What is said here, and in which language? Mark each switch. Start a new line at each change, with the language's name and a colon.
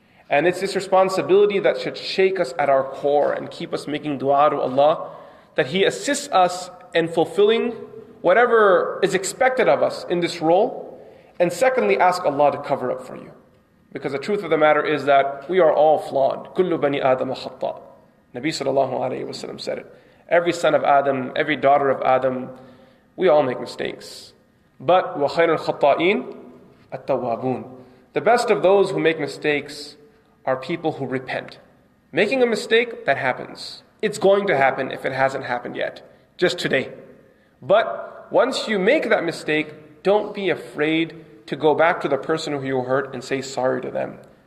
English: And it's this responsibility that should shake us at our core and keep us making dua to Allah, that He assists us in fulfilling whatever is expected of us in this role. And secondly, ask Allah to cover up for you. Because the truth of the matter is that we are all flawed.
Arabic: كُلُّ بَنِي آدَمَ خَطَّى.
English: Nabi sallallahu alayhi wa sallam said it. Every son of Adam, every daughter of Adam, we all make mistakes.
Arabic: But وَخَيْرُ الْخَطَّائِينَ التَّوَّابُونَ.
English: The best of those who make mistakes are people who repent. Making a mistake, that happens. It's going to happen if it hasn't happened yet. Just today. But once you make that mistake, don't be afraid to go back to the person who you hurt and say sorry to them.